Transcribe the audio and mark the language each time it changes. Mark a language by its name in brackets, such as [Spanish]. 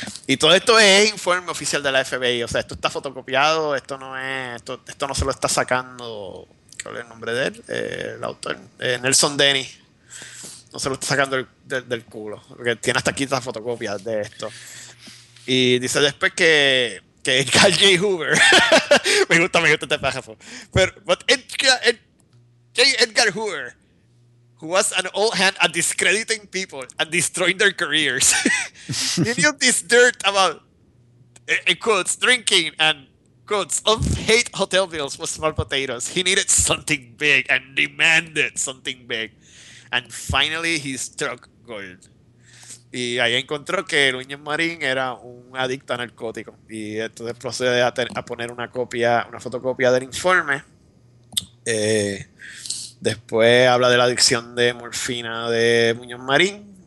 [Spanish] Y todo esto es informe oficial de la FBI. O sea, esto está fotocopiado, esto no se lo está sacando, ¿qué es el nombre de él? El autor, Nelson Denny. No se lo está sacando del culo, porque tiene hasta aquí las fotocopias de esto. Y dice después que Edgar J. [English] Hoover, [Spanish] me gusta este párrafo, [English] Edgar Hoover, who was an old hand at discrediting people and destroying their careers, he knew this dirt about, in quotes, drinking and, quotes, unpaid hotel bills with small potatoes. He needed something big and demanded something big. And finally he struck gold. [Spanish] Y ahí encontró que Muñoz Marín era un adicto a narcótico. Y entonces procede a poner una fotocopia del informe. Después habla de la adicción de morfina de Muñoz Marín.